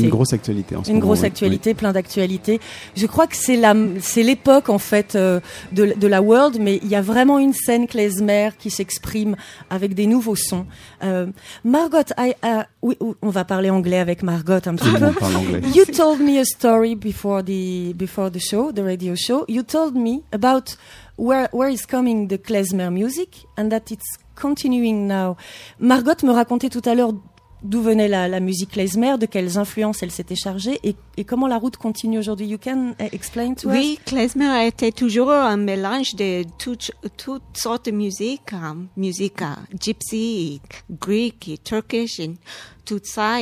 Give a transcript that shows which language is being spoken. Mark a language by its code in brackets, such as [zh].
[fr] Une grosse actualité en ce une moment. Une grosse actualité, oui. Plein d'actualités. Je crois que c'est l'époque, en fait, de la world, mais il y a vraiment une scène klezmer qui s'exprime avec des nouveaux sons. Margot, on va parler anglais avec Margot un petit peu. [en] You told me a story before the show, the radio show. You told me about where is coming the klezmer music and that it's continuing now. [fr] Margot me racontait tout à l'heure d'où venait la musique klezmer, de quelles influences elle s'était chargée et comment la route continue aujourd'hui. [en] You can explain to [fr] us? Oui, klezmer a été toujours un mélange de toutes sortes de musique, [en] gypsy, greek, turkish, and [fr] tout ça.